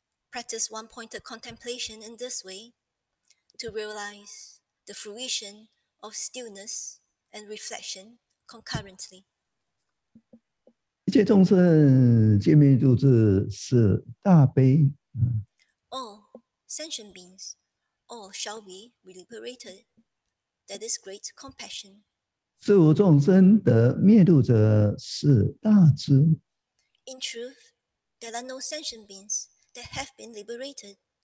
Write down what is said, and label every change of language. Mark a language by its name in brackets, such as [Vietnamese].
[English] Practice one-pointed contemplation in this way to realize the fruition of stillness and reflection concurrently. [Chinese] 一切众生皆灭度之是大悲。 [English] All sentient beings, all shall be liberated. That is great compassion. [Chinese] 事无众生得灭度者是大智。 [English] In truth, there are no sentient beings that have been liberated.